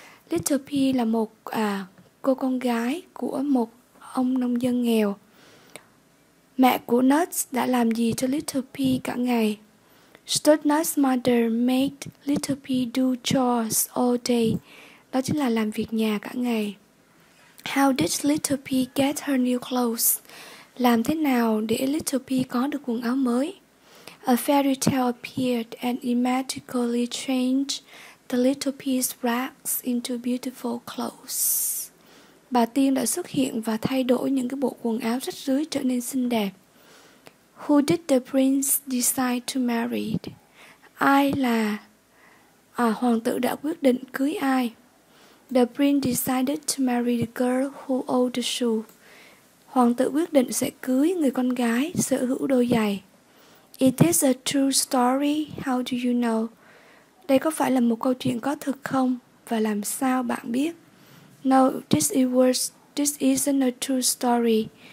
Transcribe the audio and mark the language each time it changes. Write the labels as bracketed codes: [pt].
[vi] Little Pea là một cô con gái của một ông nông dân nghèo. Mẹ của Nuts đã làm gì cho Little Pea cả ngày? [en] Nuts' mother made Little Pea do chores all day. [vi] Đó chính là làm việc nhà cả ngày. [en] How did Little Pea get her new clothes? [vi] Làm thế nào để Little Pea có được quần áo mới? [en] A fairy tale appeared and magically changed the Little Pea's rags into beautiful clothes. [vi] Bà tiên đã xuất hiện và thay đổi những cái bộ quần áo rách rưới trở nên xinh đẹp. [en] Who did the prince decide to marry? [vi] Ai là hoàng tử đã quyết định cưới ai? [en] The prince decided to marry the girl who owned the shoe. [vi] Hoàng tử quyết định sẽ cưới người con gái sở hữu đôi giày. [en] It is a true story. How do you know? [vi] Đây có phải là một câu chuyện có thực không? Và làm sao bạn biết? [en] No, this isn't a true story.